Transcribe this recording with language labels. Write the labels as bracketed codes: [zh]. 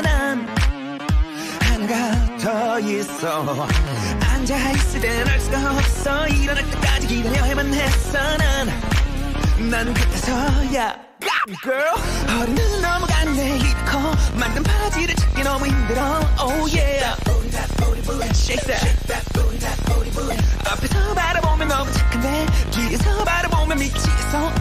[ko] 난 하나가 더 있어. 앉아있을 땐 알 수가 없어. 일어날 때까지 기다려야만 했어. 난 그때서야. Girl. 허리는 넘어가는데 힙이 커. 만든 바지를 찾기 너무 힘들어. [en] Oh yeah. Shake that, booty, that booty, booty. [ko] 앞에서 바라보면 너무 착한데 뒤에서 바라보면 미치겠어.